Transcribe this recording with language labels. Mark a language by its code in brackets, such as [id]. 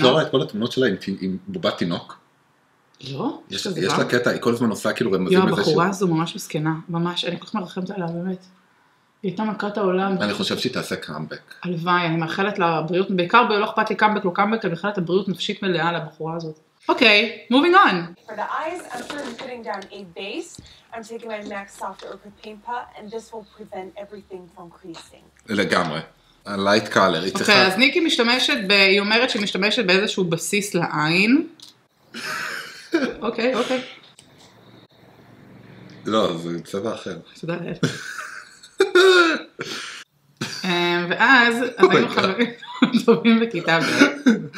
[he] את לא רואה את כל התמונות שלה עם בובת תינוק? לא. יש לה קטע, היא כל הזמן עושה כאילו רמזים. יואו, הבחורה הזו ממש מסכנה. ממש, אני כל כך מרחמת עליה, באמת. היא הייתה מכת העולם. אני חושב שהיא תעשה קאמבק. הלוואי, אני מאחלת לבריאות, בעיקר לא אכפת לי קאמבק או קאמבק, אני מאחלת לבריאות נפשית מלאה לבחורה הזאת. [en] Okay, moving on. For the eyes, I'm currently putting down a base. I'm taking my MAC soft ochre paint pot, and this will prevent everything from creasing. [he] לגמרי. [en] A light color. [he] Okay, אז ניקי משתמשת, היא אומרת שהיא משתמשת באיזשהו בסיס לעין. [en] Okay, okay. [he] לא, זה צבע אחר. תודה רבה. ואז, אז היינו חברים טובים בכיתה ב'.